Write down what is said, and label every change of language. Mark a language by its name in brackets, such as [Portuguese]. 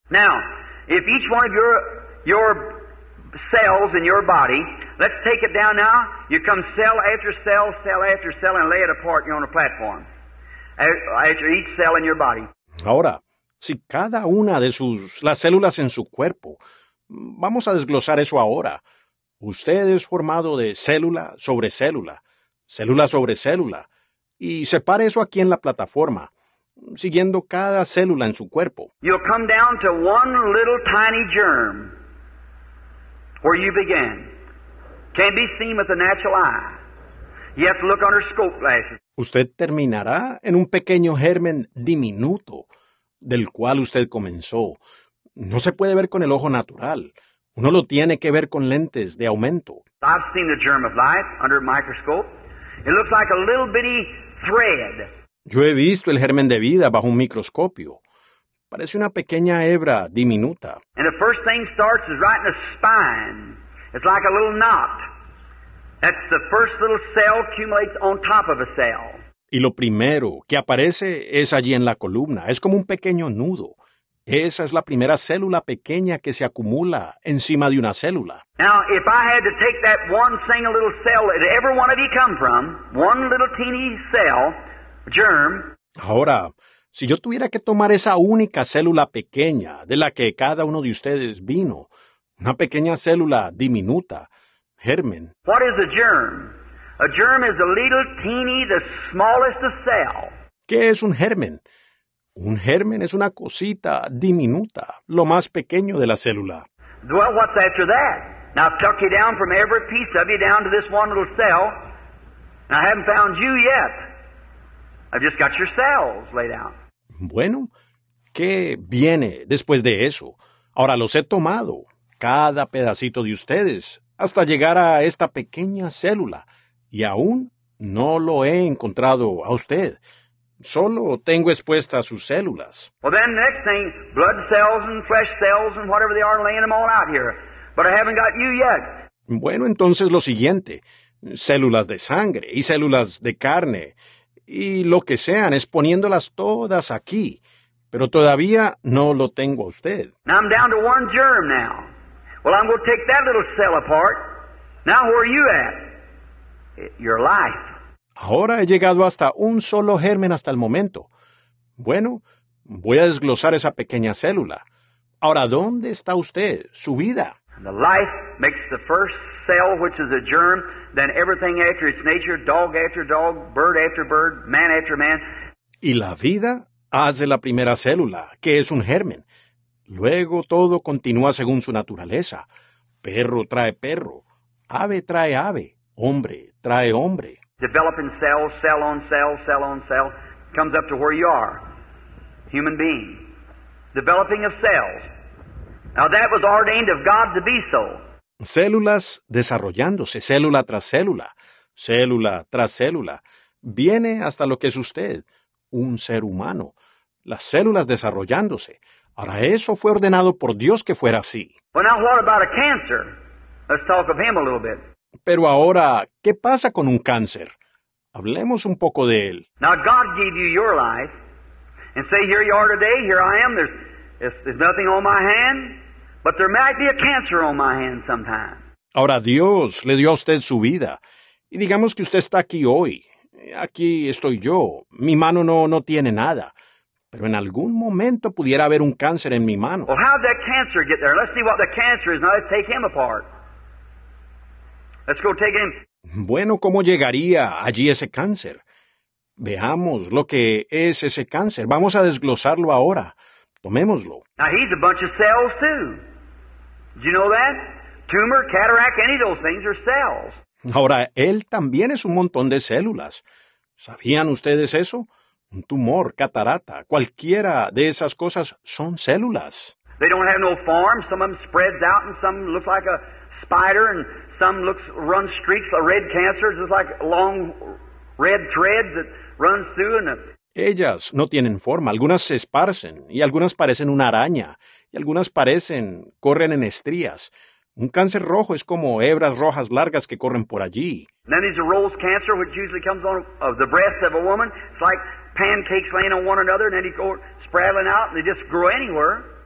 [English] Now, if each one of your cells in your body, let's take it down now. You come cell after cell, cell after cell, and lay it apart. You're on a platform. After each cell in your body. [Spanish] Ahora, Si cada una de sus las células en su cuerpo, vamos a desglosar eso ahora. Usted es formado de célula sobre célula, célula sobre célula, y separe eso aquí en la plataforma, siguiendo cada célula en su cuerpo. [English] You'll come down to one little tiny germ where you began. Can't be seen with the natural eye. You have to look under scope glasses. [Spanish] Usted terminará en un pequeño germen diminuto del cual usted comenzó. No se puede ver con el ojo natural. Uno lo tiene que ver con lentes de aumento. [English] I've seen the germ of life under a microscope. It looks like a little bitty thread. [Spanish] Yo he visto el germen de vida bajo un microscopio. Parece una pequeña hebra diminuta. [English] And the first thing starts is right in the spine. It's like a little knot. That's the first little cell accumulates on top of a cell. [Spanish] Y lo primero que aparece es allí en la columna. Es como un pequeño nudo. Esa es la primera célula pequeña que se acumula encima de una célula. [English] Now, if I had to take that one single little cell that every one of you come from, one little teeny cell, germ. [Spanish] Ahora, si yo tuviera que tomar esa única célula pequeña de la que cada uno de ustedes vino, una pequeña célula diminuta, germen. [English] What is a germ? A germ is a little teeny, the smallest of cell. [Spanish] ¿Qué es un germen? Un germen es una cosita diminuta, lo más pequeño de la célula. [English] Well, what's after that? Now tuck you down from every piece of you down to this one little cell. And I haven't found you yet. I've just got your cells laid out. [Spanish] Bueno, ¿qué viene después de eso? Ahora los he tomado, cada pedacito de ustedes, hasta llegar a esta pequeña célula, y aún no lo he encontrado a usted. Solo tengo expuestas sus células. [English] Well, then the next thing, blood cells and flesh cells and whatever they are, laying them all out here. But I haven't got you yet. [Spanish] Bueno, entonces lo siguiente, células de sangre y células de carne y lo que sean, exponiéndolas todas aquí. Pero todavía no lo tengo a usted. [English] Now I'm down to one germ now. Well, I'm going to take that little cell apart. Now where are you at? Your life. [Spanish] Ahora he llegado hasta un solo germen hasta el momento. Bueno, voy a desglosar esa pequeña célula. Ahora, ¿dónde está usted? Su vida. [English] The life makes the first cell, which is a germ, then everything after its nature, dog after dog, bird after bird, man after man. [Spanish] Y la vida hace la primera célula, que es un germen. Luego todo continúa según su naturaleza. Perro trae perro, ave trae ave, hombre trae hombre. [English] Developing cells, cell on cell, cell on cell, comes up to where you are, human being. Developing of cells. Now that was ordained of God to be so. [Spanish] Células desarrollándose, célula tras célula, célula tras célula. Viene hasta lo que es usted, un ser humano. Las células desarrollándose. Ahora eso fue ordenado por Dios que fuera así. [English] Well, now what about a cancer? Let's talk of him a little bit. [Spanish] Pero ahora, ¿qué pasa con un cáncer? Hablemos un poco de él. [English] Now God gave you your life, and say here you are today, here I am. There's nothing on my hand, but there might be a cancer on my hand sometime. [Spanish] Ahora Dios le dio a usted su vida, y digamos que usted está aquí hoy. Aquí estoy yo. Mi mano no tiene nada, pero en algún momento pudiera haber un cáncer en mi mano. [English] Well, how did that cancer get there? Let's see what the cancer is. Now let's take him apart. Let's go take him. [Spanish] Bueno, ¿cómo llegaría allí ese cáncer? Veamos lo que es ese cáncer. Vamos a desglosarlo ahora. Tomémoslo. [English] Now he's a bunch of cells too. Did you know that? Tumor, cataract, any of those things are cells. [Spanish] Ahora, él también es un montón de células. ¿Sabían ustedes eso? Un tumor, catarata, cualquiera de esas cosas son células. [English] They don't have no form. Some of them spreads out and some look like a spider and some looks run streaks of red cancer, just like long red thread that runs through and. [Spanish] Ellas no tienen forma. Algunas se esparcen y algunas parecen una araña y algunas parecen corren en estrías. Un cáncer rojo es como hebras rojas largas que corren por allí. [English] Then there's a rose cancer, which usually comes on of the breast of a woman. It's like pancakes laying on one another, and then you go spraddling out, and they just grow anywhere.